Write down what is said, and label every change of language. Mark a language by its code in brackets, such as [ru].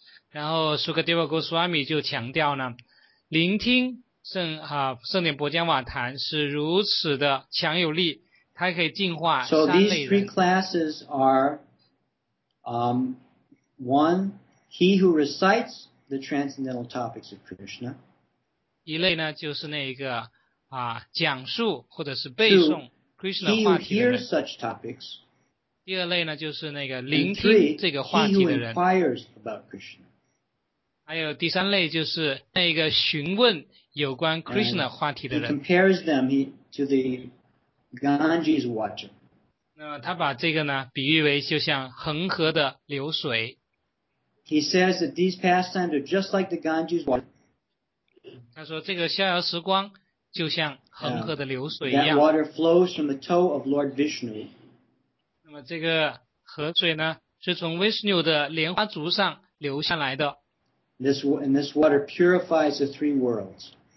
[zh] 然后 Sukadeva Goswami 就强调呢，聆听圣典伯姜瓦坛是如此的强有力，它可以净化三类人。 [en] So these three classes are, one, he who recites the transcendental topics of Krishna. [zh] 一类呢就是那一个讲述或者是背诵 Krishna 话题的人。 [en] Two, he who hears such topics. [zh] 第二类呢就是那个聆听这个话题的人。 [en] And three, he who inquires about Krishna. [zh] 还有第三类就是那个询问有关 Krishna 话题的人。 [en] He compares them to the Ganges water. [zh] 那他把这个呢比喻为就像恒河的流水。 [en] He says that these pastimes are just like the Ganges water. [zh] 他说这个逍遥时光就像恒河的流水一样。 [en] That water flows from the toe of Lord Vishnu. [zh] 那么这个河水呢是从 Vishnu 的莲花足上流下来的。 [en] This water purifies the three worlds.